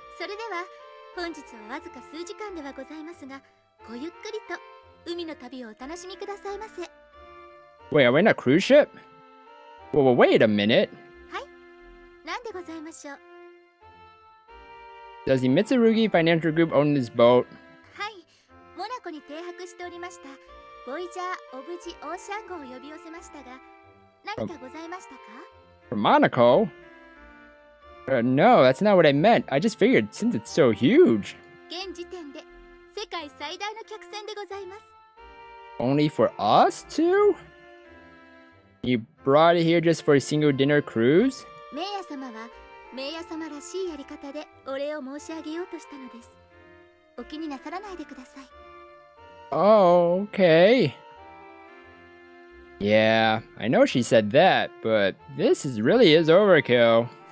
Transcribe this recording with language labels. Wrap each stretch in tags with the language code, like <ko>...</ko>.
<en>So, then, today is only a few hours, but please enjoy the sea voyage. Wait, are we on a cruise ship? Well, wait a minute. Yes. Does the Mitsurugi Financial Group own this boat? Yes. I was stationed in Monaco.</en> <ja>ボイジャー・オブジ・オーシャン号を呼び寄せましたが、何かございましたか</ja> <en>From Monaco? No, that's not what I meant. I just figured, since it's so huge.</en> <ja>現時点で、世界最大の客船でございます。</ja> <en>Only for us two? You brought it here just for a single dinner cruise?</en> <ja>メイヤ様は、メイヤ様らしいやり方でお礼を申し上げようとしたのです。お気になさらないでください。</ja> <en>Okay. Yeah, I know she said that, but this really is overkill.</en>